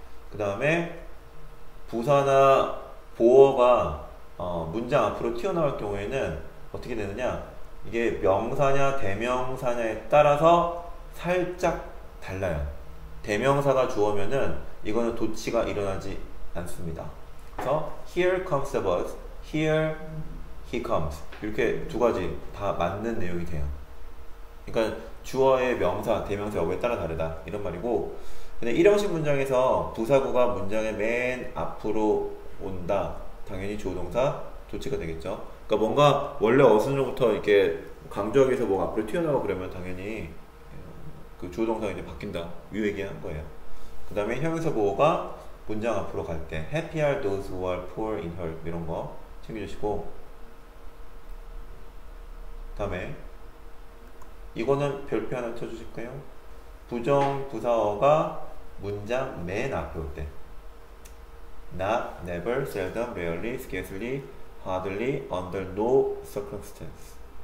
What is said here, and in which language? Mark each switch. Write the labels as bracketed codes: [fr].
[ko] 그 다음에 부사나 보어가 문장 앞으로 튀어나올 경우에는 어떻게 되느냐? 이게 명사냐 대명사냐에 따라서 살짝 달라요. 대명사가 주어면은 이거는 도치가 일어나지 않습니다. 그래서 [en] here comes the bus, here he comes. [ko] 이렇게 두 가지 다 맞는 내용이 돼요. 그러니까 주어의 명사, 대명사 여부에 따라 다르다 이런 말이고, 근데 일형식 문장에서 부사구가 문장의 맨 앞으로 온다. 당연히 조동사 도치가 되겠죠. 그러니까 뭔가 원래 어순으로부터 이렇게 강조하기 위해서 뭐가 앞으로 튀어나오고 그러면 당연히 그 조동사가 이제 바뀐다. 이 얘기한 거예요. 그 다음에 형용사 보호가 문장 앞으로 갈 때, [en] Happy are those who are poor in health. [ko] 이런 거 챙겨주시고. 다음에, 이거는 별표 하나 쳐주실까요? 부정부사어가 문장 맨 앞에 올 때. [en] Not, never, seldom, rarely, scarcely, hardly, under no circumstance.